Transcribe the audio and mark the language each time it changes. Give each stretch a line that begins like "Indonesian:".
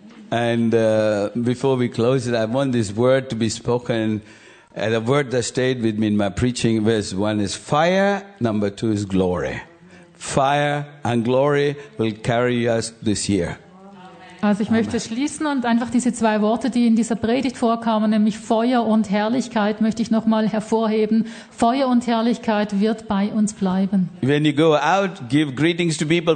English: And before we close it, I want this word to be spoken, and a word that stayed with me in my preaching. Verse 1 is fire, number 2 is glory. Fire and glory will carry us this year.
German: Also ich möchte schließen und einfach diese zwei Worte, die in dieser Predigt vorkamen, nämlich Feuer und Herrlichkeit, möchte ich nochmal hervorheben. Feuer und Herrlichkeit wird bei uns bleiben.
English: When you go out, give greetings to people.